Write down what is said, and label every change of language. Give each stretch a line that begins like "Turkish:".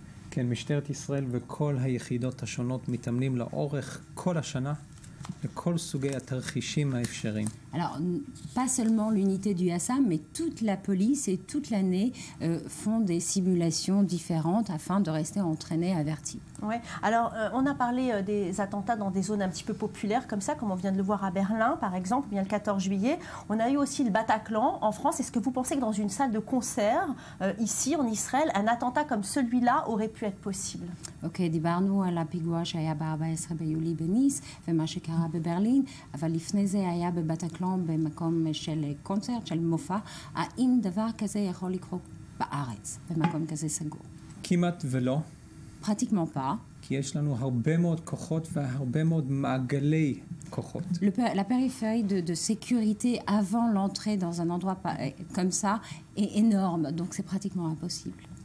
Hebrew: כן, משטרת ישראל וכל היחידות השונות מתאמנים לאורך כל השנה לכל סוגי התרחישים האפשריים.
French: Alors, pas seulement l'unité du Yassam, mais toute la police et toute l'année font des simulations différentes afin de rester entraînés, avertis. Ouais. Alors, on a parlé des attentats dans des zones un petit peu populaires comme ça, comme on vient de le voir à Berlin, par exemple, bien le 14 juillet. On a eu aussi le Bataclan en France. Est-ce que vous pensez que dans une salle de concert, ici, en Israël, un attentat comme celui-là aurait pu être possible ?
Hebrew: Ok, דיברנו על הפיגוע שהיה ב-14 ביולי בניס ומה שקרה בברלין, אבל לפני זה היה בבטקלון במקום של קונצרט, של מופע. האם דבר כזה יכול לקרות בארץ, במקום כזה סגור? כמעט ולא.
French: Pratiquement pas. Qui est-ce que nous avons beaucoup de gens qui ont La périphérie de sécurité avant l'entrée dans un endroit comme ça est énorme, donc c'est pratiquement impossible.